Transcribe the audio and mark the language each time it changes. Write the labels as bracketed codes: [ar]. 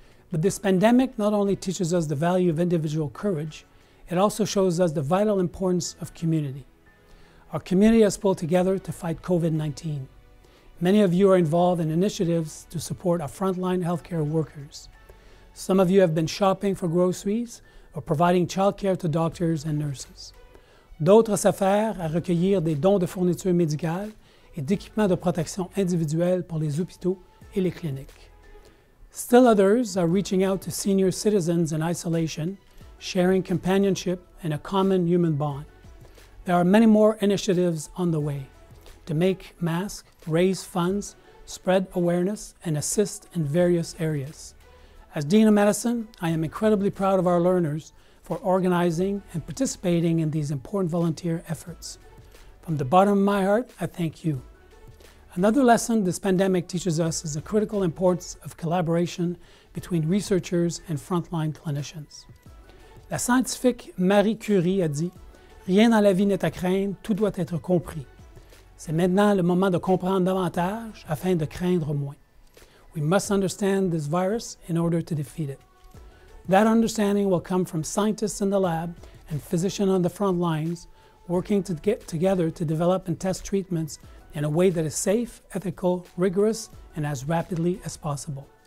[en] But this pandemic not only teaches us the value of individual courage, it also shows us the vital importance of community. Our community has pulled together to fight COVID-19. Many of you are involved in initiatives to support our frontline healthcare workers. Some of you have been shopping for groceries or providing childcare to doctors and nurses. [fr] D'autres s'affairent à recueillir des dons de fournitures médicales et d'équipements de protection individuelle pour les hôpitaux et les cliniques. [en] Still others are reaching out to senior citizens in isolation, sharing companionship and a common human bond. There are many more initiatives on the way to make masks, raise funds, spread awareness, and assist in various areas. As Dean of Medicine, I am incredibly proud of our learners for organizing and participating in these important volunteer efforts. From the bottom of my heart, I thank you. Another lesson this pandemic teaches us is the critical importance of collaboration between researchers and frontline clinicians. [fr] La scientifique Marie Curie a dit, rien dans la vie n'est à craindre, tout doit être compris. C'est maintenant le moment de comprendre davantage afin de craindre moins. [en] We must understand this virus in order to defeat it. That understanding will come from scientists in the lab and physicians on the front lines, working to get together to develop and test treatments in a way that is safe, ethical, rigorous, and as rapidly as possible.